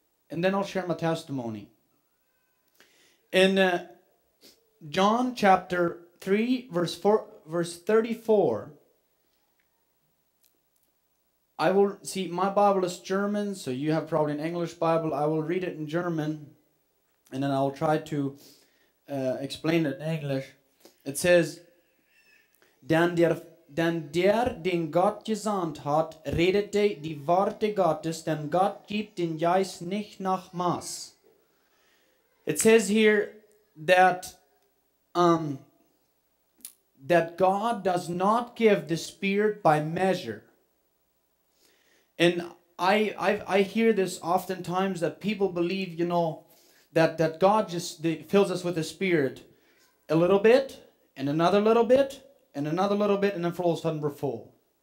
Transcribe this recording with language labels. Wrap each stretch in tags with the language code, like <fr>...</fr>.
<en>And then I'll share my testimony. In John chapter 3 verse 34. I will see, my Bible is German, so you have probably an English Bible. I will read it in German and then I'll try to explain it in English. It says,</en> <de>Denn der den Gott gesandt hat, redete die Worte Gottes, denn Gott gibt den Geist nicht nach Maß.</de> <en>It says here that God does not give the Spirit by measure. And I hear this oftentimes that people believe, you know, that God just fills us with the Spirit a little bit, and another little bit, and another little bit, and then for all of a sudden we're full.</en>